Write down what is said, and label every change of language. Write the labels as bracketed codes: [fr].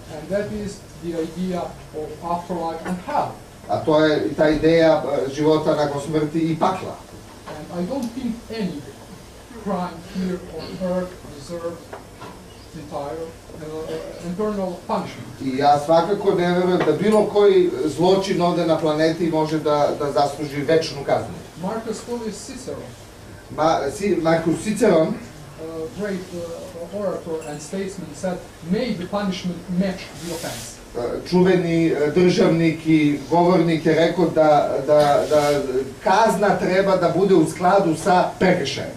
[en] And that is the idea of afterlife and hell. [sr] A to je ta ideja života nakon smrti i pakla. [en] And I don't think any crime here on earth deserves eternal punishment. [sr] I ja svakako ne verujem da bilo koji zločin ovde na planeti može da zasluži večnu kaznu. [en] Marcus Tullius Ciceron. [sr] Marcus Ciceron, [en] great orator and statesman, said, may the punishment match the offense. [sr] Čuveni državnik i govornik je rekao da kazna treba da bude u skladu sa prekršajem.